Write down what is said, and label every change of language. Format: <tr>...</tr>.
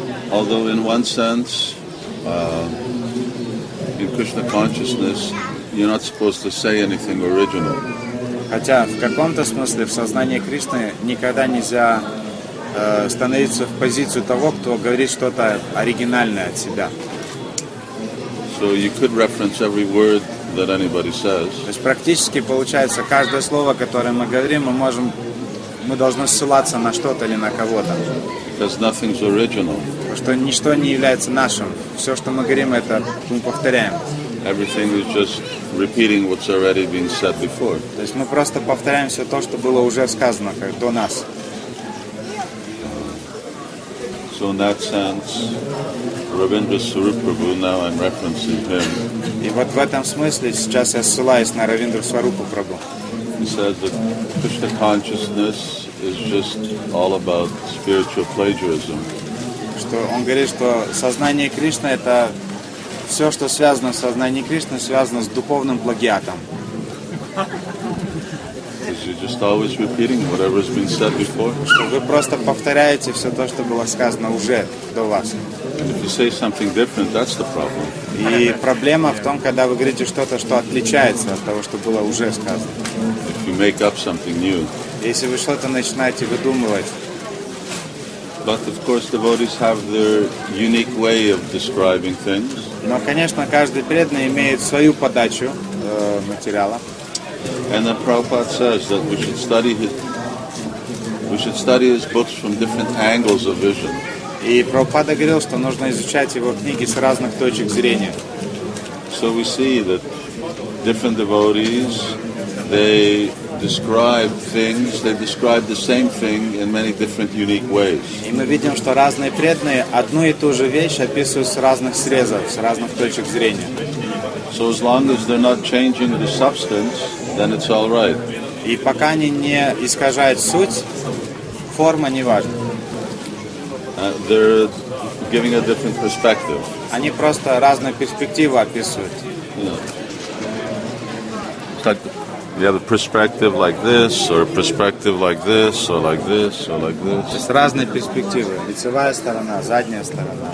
<en>Although in one sense, in Krishna consciousness, you're not supposed to say anything original.</en> <ru>Хотя в каком-то смысле в сознании Кришны никогда нельзя становиться в позицию того, кто говорит что-то оригинальное от себя.</ru> <en>So So you could reference every word that anybody says.</en> <ru>То есть практически получается каждое слово, которое мы говорим, мы должны ссылаться на что-то или на кого-то.</ru> <en>Because nothing's original.</en> <ru>Потому что ничто не является нашим. Все, что мы говорим, это мы повторяем.</ru> <en>Everything is just repeating what's already been said before.</en> <ru>То есть мы просто повторяем все то, что было уже сказано как до нас.</ru> <en>So in that sense, Ravindra Swarup Prabhu, now I'm referencing him.</en> <ru>И вот в этом смысле сейчас я ссылаюсь на Равиндру Сварупу Прабху.</ru> <en>He says that Krishna consciousness is just all about spiritual plagiarism.</en> <ru>Что он говорит, что сознание Кришны — это все, что связано с сознанием Кришны, связано с духовным плагиатом.</ru> <en>Because you're just always repeating whatever has been said before.</en> <ru>Что вы просто повторяете все то, что было сказано уже до вас.</ru> <en>If you say something different, that's the problem.</en> <ru>И проблема в том, когда вы говорите что-то, что отличается от того, что было уже сказано.</ru> <en>If you make up something new.</en> <ru>Если вы что-то начинаете выдумывать.</ru> <en>But of course, devotees have their unique way of describing things.</en> <ru>Но, конечно, каждый преданный имеет свою подачу материала.</ru> <en>And then Prabhupada says that we should study his books from different angles of vision.</en> <ru>И Прабхупада говорил, что нужно изучать его книги с разных точек зрения.</ru> <en>So we see that different devotees, they describe things, they describe the same thing in many different unique ways.</en> <ru>И мы видим, что разные преданные одну и ту же вещь описывают с разных срезов, с разных точек зрения.</ru> <en>So as long as they're not changing the substance, then it's all right.</en> <ru>И пока они не искажают суть, форма не важна.</ru> <en>They're giving a different perspective.</en> <ru>Они просто разные перспективы описывают.</ru> <en>Yeah. Like you have a perspective like this, or a perspective like this, or like this, or like this.</en> <ru>То есть разные перспективы. Лицевая сторона, задняя сторона.</ru>